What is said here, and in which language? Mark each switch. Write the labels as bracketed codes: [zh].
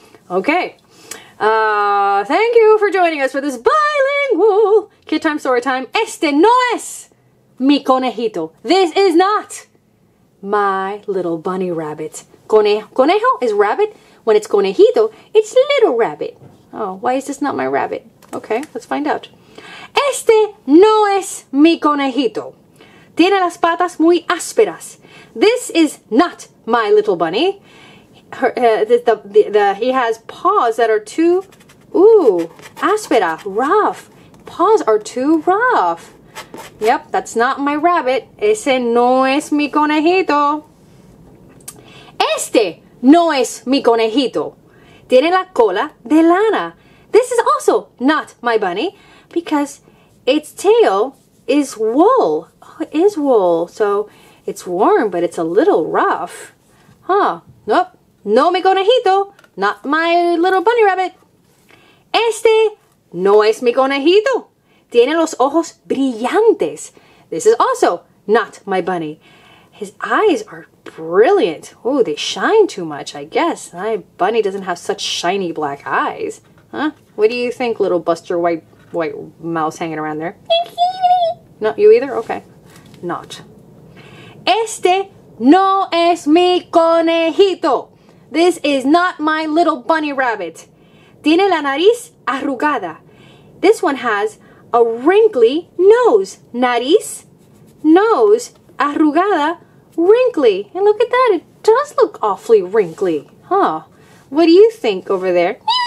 [en] Okay. Thank you for joining us for this bilingual Kid Time Story Time. [es] Este no es mi conejito. [en] This is not my little bunny rabbit. Conejo is rabbit. When it's conejito, it's little rabbit. Oh, why is this not my rabbit? [es] Okay, let's find out. Este no es mi conejito. Tiene las patas muy ásperas. [en] This is not my little bunny. He has paws that are too, áspera, rough. Paws are too rough. Yep, that's not my rabbit. [es] Ese no es mi conejito. Este no es mi conejito. Tiene la cola de lana. [en] This is also not my bunny because its tail is wool. Oh, it is wool. So it's warm, but it's a little rough. Huh, nope. [es] No mi conejito, [en] not my little bunny rabbit. [es] Este no es mi conejito. Tiene los ojos brillantes. [en] This is also not my bunny. His eyes are brilliant. Oh, they shine too much, I guess. My bunny doesn't have such shiny black eyes. Huh? What do you think, little Buster white mouse hanging around there? Not you either? Okay. Not. [es] Este no es mi conejito. [en] This is not my little bunny rabbit. [es] Tiene la nariz arrugada. [en] This one has a wrinkly nose. Nariz, nose, arrugada, wrinkly. And look at that, it does look awfully wrinkly. Huh, what do you think over there?